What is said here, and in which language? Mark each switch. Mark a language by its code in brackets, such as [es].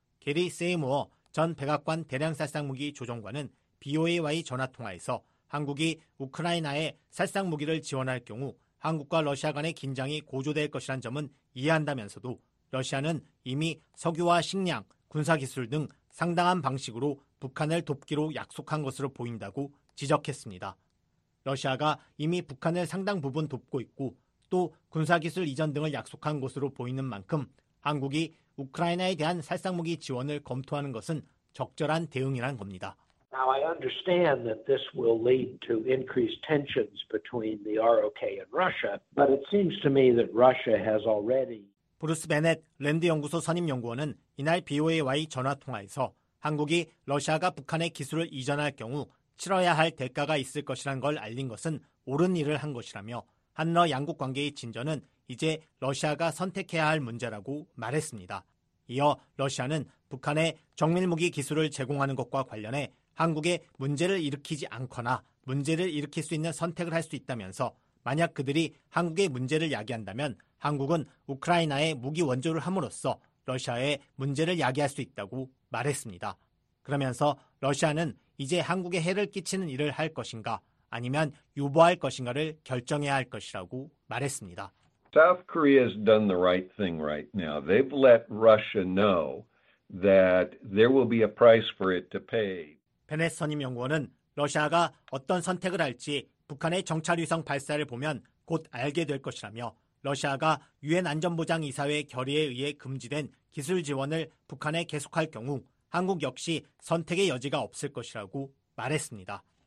[ko] 게리 세이모어 전 백악관 대량살상무기 조정관은 BOA와의 전화통화에서 한국이 우크라이나에 살상무기를 지원할 경우 한국과 러시아 간의 긴장이 고조될 것이란 점은 이해한다면서도 러시아는 이미 석유와 식량, 군사기술 등 상당한 방식으로 북한을 돕기로 약속한 것으로 보인다고 지적했습니다. 러시아가 이미 북한을 상당 부분 돕고 있고 또 군사기술 이전 등을 약속한 것으로 보이는 만큼 한국이 우크라이나에 대한 살상무기 지원을 검토하는 것은 적절한 대응이란 겁니다. [en] Now I understand that this will lead to increased tensions between the ROK and Russia, but it seems to me that Russia has already [ko] 브루스 베넷 랜드 연구소 선임 연구원은 이날 BOA와의 전화 통화에서 한국이 러시아가 북한의 기술을 이전할 경우 치러야 할 대가가 있을 것이란 걸 알린 것은 옳은 일을 한 것이라며 한러 양국 관계의 진전은 이제 러시아가 선택해야 할 문제라고 말했습니다. 이어 러시아는 북한에 정밀무기 기술을 제공하는 것과 관련해 한국에 문제를 일으키지 않거나 문제를 일으킬 수 있는 선택을 할 수 있다면서 만약 그들이 한국에 문제를 야기한다면 한국은 우크라이나에 무기 원조를 함으로써 러시아에 문제를 야기할 수 있다고 말했습니다. 그러면서 러시아는 이제 한국에 해를 끼치는 일을 할 것인가 아니면 유보할 것인가를 결정해야 할 것이라고 말했습니다. [en] South Korea's done the right thing right now. They've let Russia know that there will be a price for it to pay. [ko] 베넷 선임 연구원은 러시아가 어떤 선택을 할지 북한의 정찰위성 발사를 보면 곧 알게 될 것이라며 러시아가 유엔 안전보장이사회 결의에 의해 금지된 기술 지원을 북한에 계속할 경우 한국 역시 선택의 여지가 없을 것이라고 말했습니다.